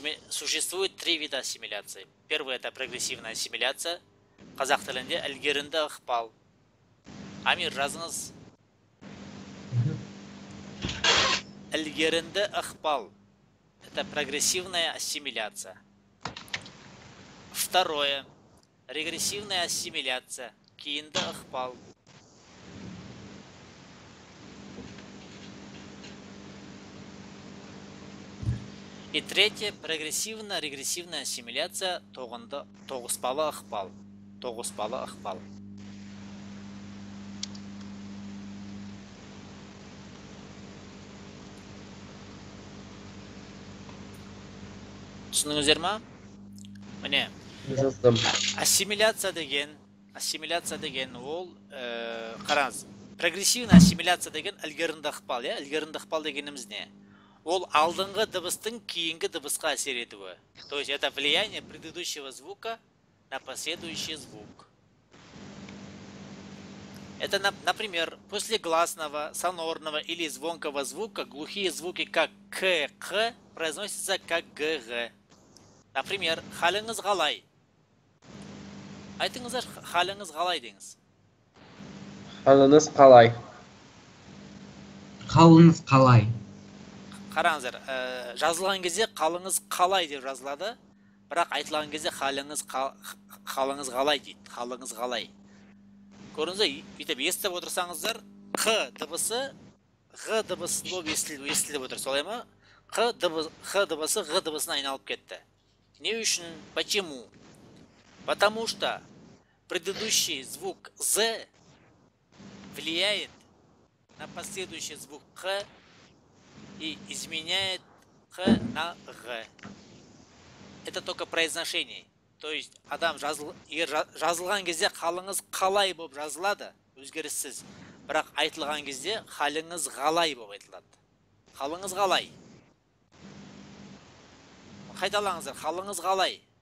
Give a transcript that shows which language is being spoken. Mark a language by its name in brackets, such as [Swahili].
[Russian] Существует три вида ассимиляции. Первый — это прогрессивная ассимиляция. [Kazakh] Қазақ тілінде әлгерінді ықпал. Амир, жазыңыз. Әлгерінді ықпал [Russian] — это прогрессивная ассимиляция. Второе — регрессивная ассимиляция, [Kazakh] кейінді ықпал. [Russian] И третье — прогрессивно-регрессивная ассимиляция, [Kazakh] тоғынды, тоғыспалы ықпал. Тоғыспалы ықпал. Түсініңіздер ма? Міне. Жаздым. Ассимиляция деген ол, қараңыз. Прогрессивная ассимиляция деген әлгерінді ықпал, я? Әлгерінді ықпал дегеніміз не? Ол алдыңғы дыбыстың кейінгі дыбысқа әсер етуі. [Russian] То есть это влияние предыдущего звука на последующий звук. Это, например, после гласного, сонорного или звонкого звука глухие звуки, как к, х, произносятся как г, г. [Kazakh] Например, халыңыз қалай. Айтыңыздар, халыңыз қалай деңіз. Халыңыз қалай. Халыңыз қалай. Қараңыздар, жазылған кезде қалыңыз қалай деп жазылады, бірақ айтылған кезде халыңыз қалай дейді, халыңыз қалай. Көріңіздер, бүйтіп естіп отырсаңыздар, Қ дыбысы Ғ дыбысы болып естіліп отыр, солай ма? Қ дыбысы Ғ дыбысына айналып кетті. Не үшін? Почему? [Russian] Потому что предыдущий звук З влияет на последующий звук Қ и изменяет Х на Г. Это только произношение. [Kazakh] То есть адам жазылған кезде халыңыз қалай боп жазылады, өзгеріссіз. Бірақ айтылған кезде халыңыз қалай боп айтылады. Халыңыз қалай. Қайталаңыздар, халыңыз қалай.